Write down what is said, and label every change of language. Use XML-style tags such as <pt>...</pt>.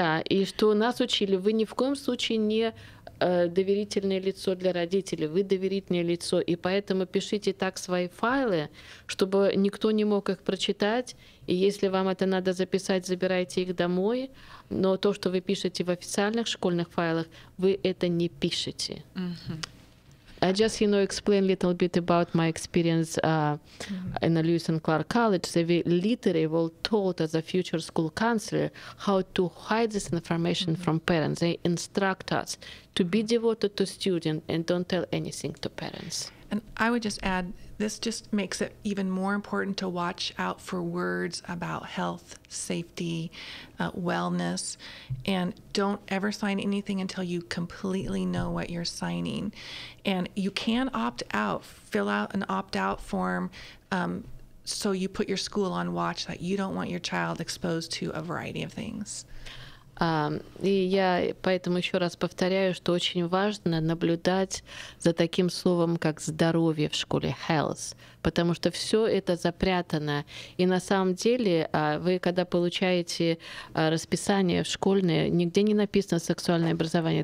<ru>Да, и что нас учили, вы ни в коем случае не доверительное лицо для родителей, вы доверительное лицо, и поэтому пишите так свои файлы, чтобы никто не мог их прочитать, и если вам это надо записать, забирайте их домой, но то, что вы пишете в официальных школьных файлах, вы это не пишете.</ru> <en>I just, you know, explain a little bit about my experience in the Lewis and Clark College. They literally were taught as a future school counselor how to hide this information from parents. They instruct us to be devoted to students and don't tell anything to parents. And I would just add, this just makes it even more important to watch out for words about health, safety, wellness, and don't ever sign anything until you completely know what you're signing. And you can opt out, fill out an opt-out form, so you put your school on watch that you don't want your child exposed to a variety of things.</en> <ru>И я поэтому еще раз повторяю, что очень важно наблюдать за таким словом, как здоровье в школе, health, потому что все это запрятано. И на самом деле, вы когда получаете расписание в школьное, нигде не написано сексуальное образование.</ru>